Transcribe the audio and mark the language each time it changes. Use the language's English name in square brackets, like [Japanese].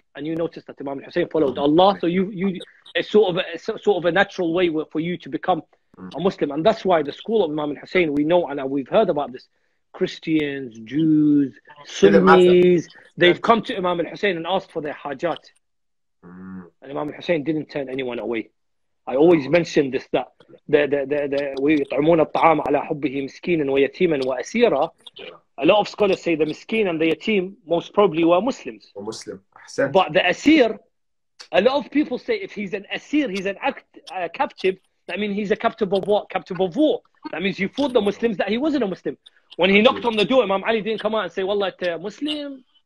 [English] And you notice that Imam al-Hussein followed Allah. So you it's sort of a natural way for you to become a Muslim. And that's why the school of Imam al-Hussein, we know and we've heard about this, Christians, Jews, Sunnis, they've come to Imam al-Hussein and asked for their hajat. And Imam al-Hussein didn't turn anyone away. I always mention this, that [Arabic] وَيُطْعِمُونَ الطَّعَامَ عَلَى حُبِّهِ مِسْكِينًا وَيَتِيمًا وَأَسِيرًا. [English] A lot of scholars say the miskin and the yatim most probably were Muslims. A Muslim. Ahsan. But the asir, a lot of people say if he's an asir, he's an captive, that means he's a captive of what? Captive of war. That means you fooled the Muslims that he wasn't a Muslim. When he knocked on the door, Imam Ali didn't come out and say, wallah, it's a Muslim.